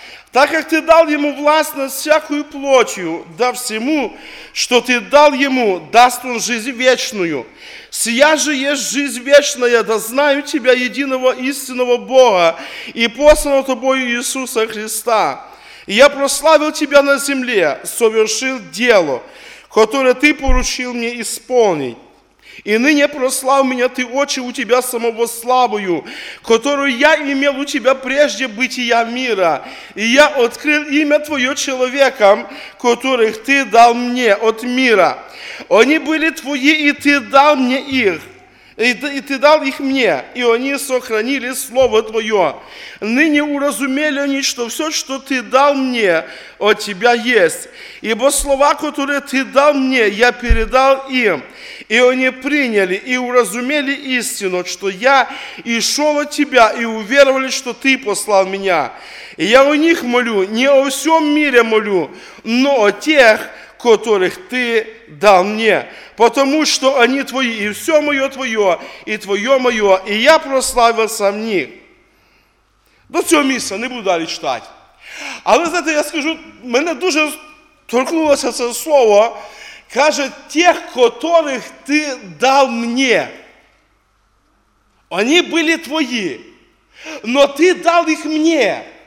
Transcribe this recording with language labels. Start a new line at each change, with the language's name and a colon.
Ukrainian: Так як ти дав йому власне всякою плотю, да всьому, що ти дав йому, дасть він жизнь вічною. Сія же є жизнь вічна, да знаю тебе, єдиного істинного Бога, і послано тобою Ісуса Христа. І я прославив тебе на землі, совершив діло,
Russian: которое
Ukrainian: ти поручив мені
Russian: исполнить. И ныне прослав меня ты, Отче, у тебя самого славою, которую я имел у тебя прежде бытия мира. И я открыл имя твое человекам, которых ты дал мне от мира. Они были твои, и ты дал мне их. И ты дал их мне, и они сохранили слово твое. Ныне уразумели они, что все, что ты дал мне, от тебя есть. Ибо слова, которые ты дал мне, я передал им. И они приняли и уразумели истину, что я и шел от тебя, и уверовали, что ты послал меня. И я у них молю, не о всем мире молю, но о тех, которых ты дал мне, потому что они твои, и все мое твое, и твое мое, и я прославился в них.
Ukrainian: До цього місця не буду далі читати. Але, знаєте, я скажу, мене дуже торкнулося це слово, каже, тих,
Russian: которых
Ukrainian: ти дав
Russian: мне,
Ukrainian: вони були твої, но ти дав їх мне.